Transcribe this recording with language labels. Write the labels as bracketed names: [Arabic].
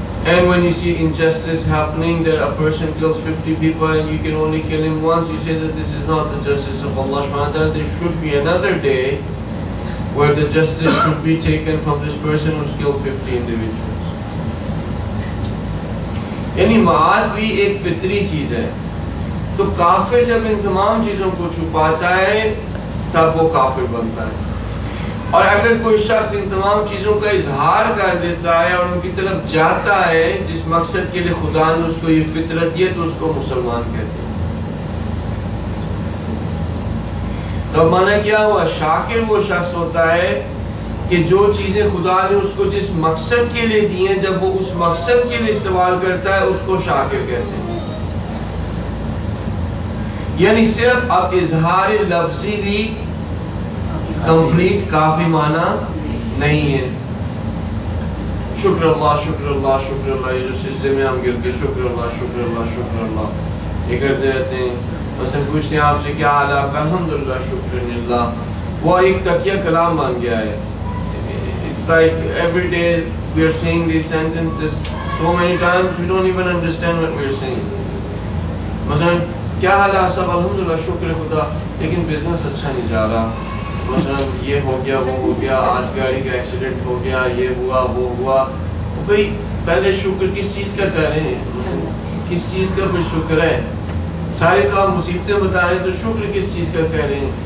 [English] And when you see injustice happening, that a person kills 50 people and you can only kill him once, you say that this is not the justice of Allah subhanahu wa ta'ala. There should be another day where the justice should be taken from this person who's killed 50 individuals. [Urdu] یعنی معاد بھی ایک فطری چیز ہے. تو کافر جب ان تمام چیزوں کو چھپاتا ہے تب وہ کافر بنتا ہے. اور اگر کوئی شخص ان تمام چیزوں کا اظہار کر دیتا ہے اور ان کی طرف جاتا ہے جس مقصد کے لیے خدا نے اس کو یہ فطرت دی ہے, تو اس کو مسلمان کہتے ہیں. تو مانا کیا ہوا, شاکر وہ شخص ہوتا ہے کہ جو چیزیں خدا نے اس کو جس مقصد کے لیے دی ہیں, جب وہ اس مقصد کے لیے استعمال کرتا ہے اس کو شاکر کہتے ہیں. یعنی صرف اب اظہار لفظی بھی کمپلیٹ کافی معنی نہیں ہے. شکر اللہ شکر اللہ شکر اللہ, یہ جو سجدے میں ہم گر کے شکر اللہ شکر اللہ شکر اللہ یہ کرتے رہتے ہیں. مثلا پوچھتے ہیں آپ سے کیا حال ہے, الحمدللہ شکر اللہ, وہ ایک تکیہ کلام بن گیا ہے. [English] Like every day we are saying these sentences so many times we don't even understand what we are saying. [Urdu] مثلاً کیا حال ہے سب, الحمدللہ شکر خدا, لیکن بزنس اچھا نہیں جا رہا. مثلاً یہ ہو گیا وہ ہو گیا, آج گاڑی کا ایکسیڈنٹ ہو گیا, یہ ہوا وہ ہوا. بھائی پہلے شکر کس چیز کا کریں, کس چیز کا پھر شکر ہے, سارے کام مصیبتیں بتائیں تو شکر کس چیز کا کریں.